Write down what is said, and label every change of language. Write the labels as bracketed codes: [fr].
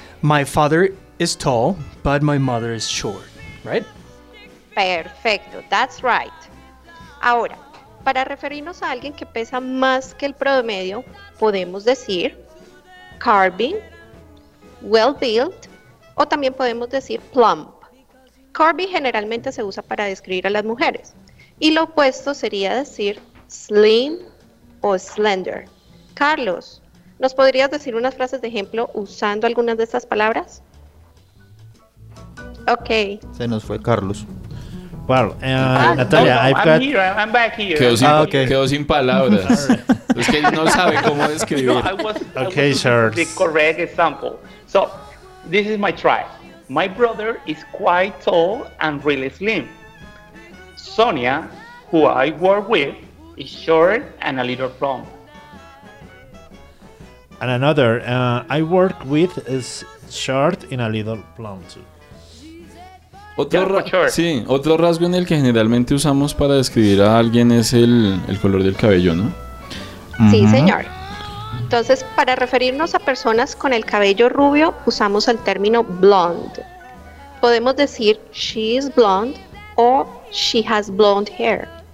[en] My father is tall, but my mother is short, right? [es] Perfecto, [en] that's right. [es] Ahora, para referirnos a alguien que pesa más que el promedio, podemos decir curving, well-built, o también podemos decir plump. Curvy generalmente se usa para describir a las mujeres, y lo opuesto sería decir slim o slender. Carlos, ¿nos podrías decir unas frases de ejemplo usando algunas de estas palabras? Ok. Se nos fue Carlos. Natalia, quedó sin palabras. Es que no sabe cómo describir. [en] The correct example. So, this is my try. My brother is quite tall and really slim. Sonia, who I work with, is short and a little plump. And another, I work with is short and a little plump too. [es] Otro rasgo en el que generalmente usamos para describir a alguien es el color del cabello, ¿no? Sí, señor. Entonces, para referirnos a personas con el cabello rubio, usamos el término blonde. Podemos decir [en] she is blonde [es] o [en] she has blonde hair.